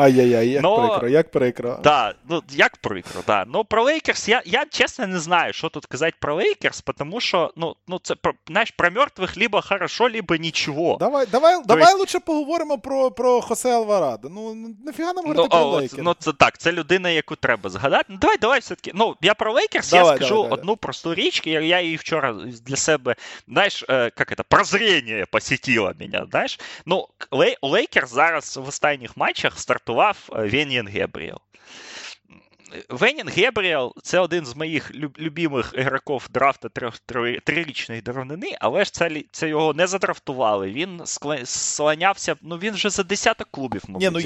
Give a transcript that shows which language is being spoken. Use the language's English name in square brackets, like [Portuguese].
[Ukrainian] Ай-яй-яй, як прикро. Да, ну, як прикро, да. [Russian] Но про Лейкерс, я честно не знаю, что тут сказать про Лейкерс, потому что, ну це, знаешь, про мертвых либо хорошо, либо ничего. Давай есть... лучше поговорим про Хосе Альварадо. Ну, нафига нам говорить про Лейкерс? [Ukrainian] Ну, це так, це людина, яку треба згадати. Ну, давай все-таки, ну, я про Лейкерс, я скажу одну просту річ, я її вчора для себе, [Russian] знаешь, как это, прозрение посетило меня, [Ukrainian] да? Ну, Лейкерс зараз в останніх матчах стартував Венін Гебріел. Венін Гебріел – це один з моїх любимих ігроків драфту трирічної давнини, але ж це його не задрафтували. Він слонявся, ну він вже за десяток клубів, мабуть,